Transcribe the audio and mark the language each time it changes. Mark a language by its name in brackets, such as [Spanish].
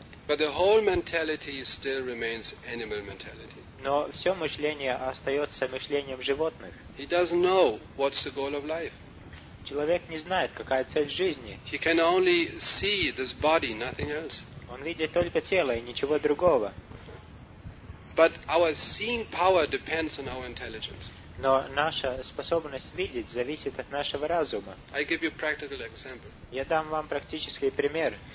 [English] But the whole mentality still remains animal mentality. [Russian] Но все мышление остается мышлением животных. [English] He doesn't know what's the goal of life. [Russian] Человек не знает, какая цель жизни. [English] He can only see this body, nothing else. [Russian] Он видит только тело и ничего другого. [English] But our seeing power depends on our intelligence. [Russian] Но наша способность видеть зависит от нашего разума. [English] I give you practical example. [Russian] Я дам вам практический пример.